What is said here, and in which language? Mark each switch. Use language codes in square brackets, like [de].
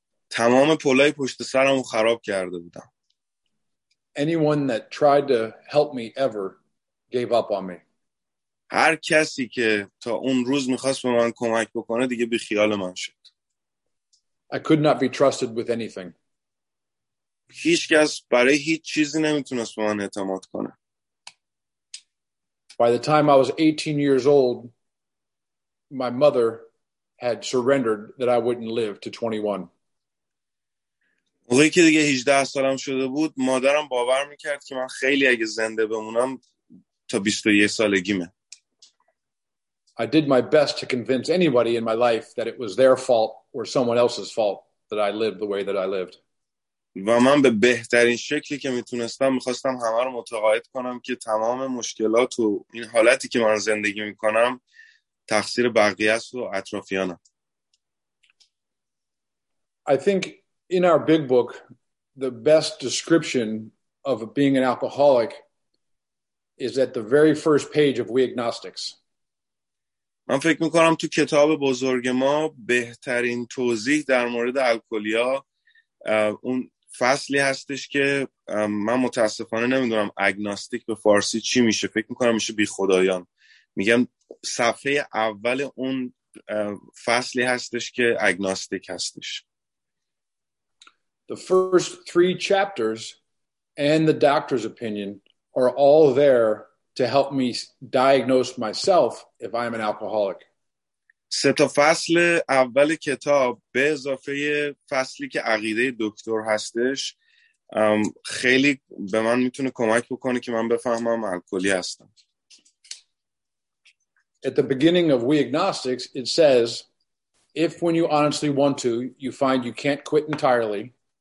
[fa] تمام پلای پشت سرمو خراب کرده بودم. [en] anyone that tried to help me ever gave up on me. [fa] هر کسی که تا اون روز می‌خواست به من کمک بکنه دیگه بی خیال من شد. [en] I could not be trusted with anything. [fa] هیچ کس برای هیچ چیزی نمیتونست به من اعتماد کنه. [en] By the time I was 18 years old, my mother had surrendered that I wouldn't live to 21. [fa] وقتی که دیگه 18 سالم شده بود، مادرم باور میکرد که من خیلی اگه زنده بمونم تا 21 سالگیمه. [en] I did my best to convince anybody in my life that it was their fault or someone else's fault that I lived the way that I lived. [fa] و من به بهترین شکلی که میتونستم میخواستم همه رو متقاعد کنم که تمام مشکلات و این حالتی که من زندگی میکنم تقصیر بقیه است و اطرافیانم. [en] I think in our big book the best description of being an alcoholic is at the very first page of We Agnostics. [fa] من فکر میکنم تو کتاب بزرگ ما بهترین توضیح در مورد الکلیا اون فصلی هستش که من متاسفانه نمیدونم اگناستیک به فارسی چی میشه، فکر میکنم میشه بی خدایان. میگم صفحه اول اون فصلی هستش که اگناستیک هستش. [en] The first three chapters and the doctor's opinion are all there to help me diagnose myself if I'm an alcoholic. [fa] سه تا فصل اول کتاب به اضافه فصلی که عقیده دکتر هستش خیلی به من میتونه کمک بکنه که من بفهمم الکلی هستم. [en] At the beginning of We Agnostics it says if when you honestly want to you find you can't quit entirely.